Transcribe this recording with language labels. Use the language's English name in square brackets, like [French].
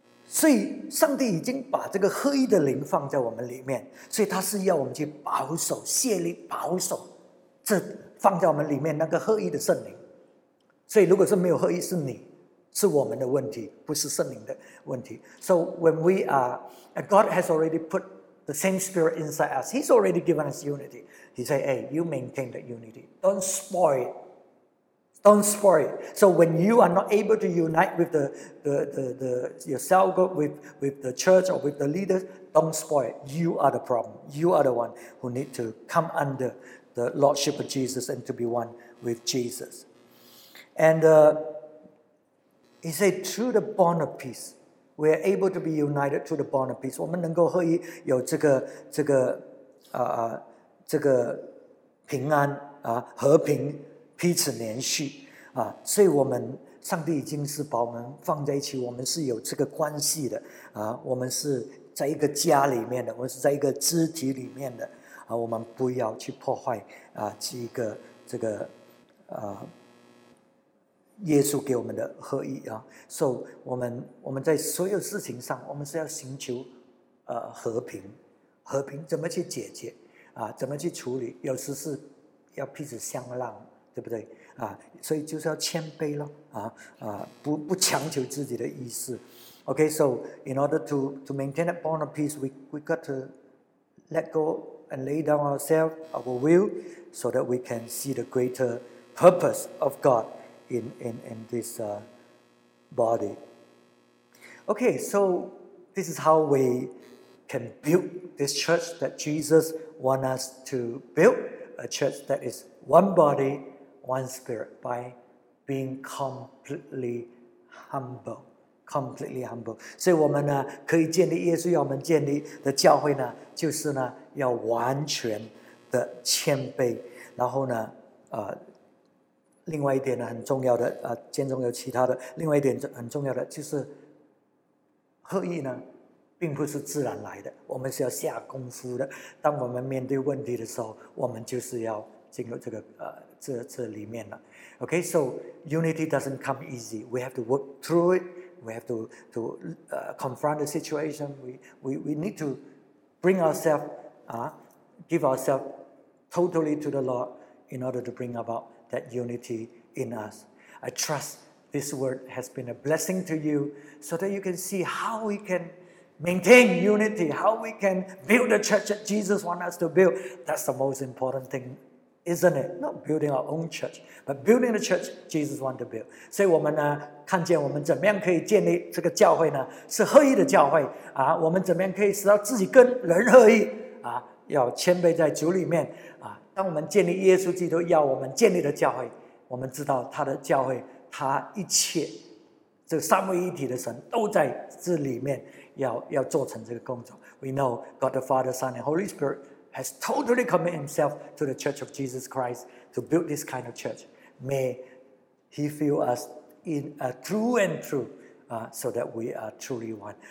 [Chinese] 所以上帝已经把这个合一的灵放在我们里面，所以他是要我们去保守卸力，保守这放在我们里面那个合一的圣灵。所以如果是没有合一，是你是我们的问题，不是圣灵的问题。 [English] So when we are God has already put the same spirit inside us, He's already given us unity. He said, hey, you maintain that unity, don't spoil it. So when you are not able to unite with the your cell group, with the church or with the leaders, don't spoil it. You are the problem. You are the one who need to come under the Lordship of Jesus and to be one with Jesus. And he said, through the bond of peace, we are able to be united through the bond of peace. [Chinese] 我们能够合一，有这个平安啊，和平。彼此联系啊，所以我们上帝已经是把我们放在一起，我们是有这个关系的啊，我们是在一个家里面的，或是在一个肢体里面的，我们不要去破坏这个耶稣给我们的合一啊。所以我们在所有事情上，我们是要寻求和平，和平怎么去解决啊？怎么去处理？有时是要彼此相让，对不对啊？所以就是要谦卑了不强求自己的意思。 [English] Okay, so in order to maintain that bond of peace, we got to let go and lay down ourselves, our will, so that we can see the greater purpose of God in this body. Okay, so this is how we can build this church that Jesus wants us to build, a church that is one body, one spirit, by being completely humble. Completely humble. [Chinese] 所以我们呢，可以建立耶稣要我们建立的教会呢，就是呢，要完全的谦卑。然后呢，另外一点呢，很重要的，建中有其他的，另外一点很重要的就是，合一呢，并不是自然来的，我们是要下功夫的。当我们面对问题的时候，我们就是要进入这个这里面了。 [English] Okay, so unity doesn't come easy. We have to work through it. We have to confront the situation. We need to bring ourselves, give ourselves totally to the Lord in order to bring about that unity in us. I trust this word has been a blessing to you so that you can see how we can maintain unity, how we can build the church that Jesus wants us to build. That's the most important thing. Isn't it? Not building our own church, but building the church Jesus wanted to build. [Chinese] 所以我们呢，看见我们怎么样可以建立这个教会呢？是合一的教会啊！我们怎么样可以使到自己跟人合一啊？要谦卑在主里面啊！当我们建立耶稣基督要我们建立的教会，我们知道他的教会，他一切这三位一体的神都在这里面要做成这个工作。 [English] We know God the Father, Son, and Holy Spirit. Has totally committed himself to the Church of Jesus Christ to build this kind of church. May he fill us in through and through, so that we are truly one.